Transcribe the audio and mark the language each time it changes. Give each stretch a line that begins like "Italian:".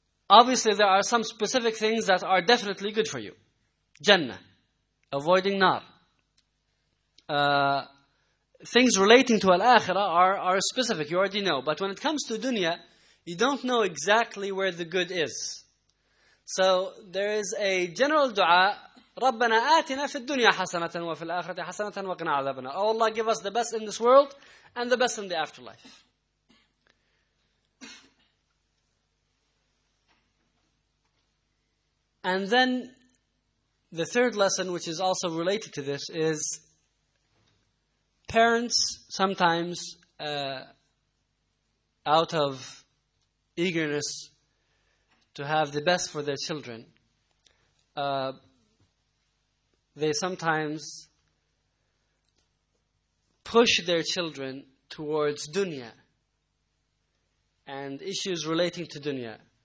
English: Obviously, there are some specific things that are definitely good for you. Jannah, avoiding nar. Things relating to al-akhirah are specific, you already know. But when it comes to dunya, you don't know exactly where the good is.
Arabic: So there is a general dua, رَبَّنَا آتِنَا فِي الدُّنْيَا حَسَنَةً وَفِي الْآخِرَةِ حَسَنَةً وَقِنَا عَذَابَنَا.
English: Oh Allah, give us the best in this world and the best in the afterlife. And then the third lesson, which is also related to this, is parents sometimes, out of eagerness to have the best for their children, they sometimes push their children towards dunya and issues relating to dunya.